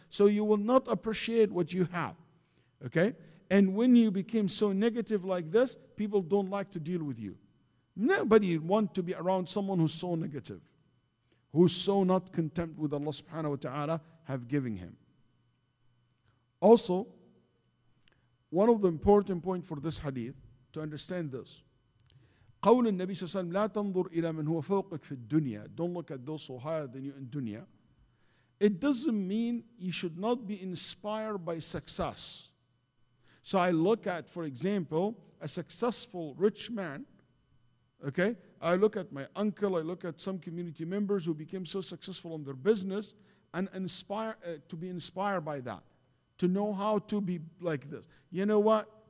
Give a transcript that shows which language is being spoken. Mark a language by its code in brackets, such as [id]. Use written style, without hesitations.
[en] So you will not appreciate what you have. Okay? And when you became so negative like this, people don't like to deal with you. Nobody wants to be around someone who's so negative, who's so not content with Allah subhanahu wa ta'ala have given him. Also, one of the important points for this hadith, to understand this, [ar] قول النبي صلى الله عليه وسلم لا تنظر إلى من هو فوقك في الدنيا. [en] Don't look at those who are higher than you in dunya. It doesn't mean you should not be inspired by success. So I look at, for example, a successful rich man. Okay, I look at my uncle. I look at some community members who became so successful in their business and inspired by that, to know how to be like this. You know what?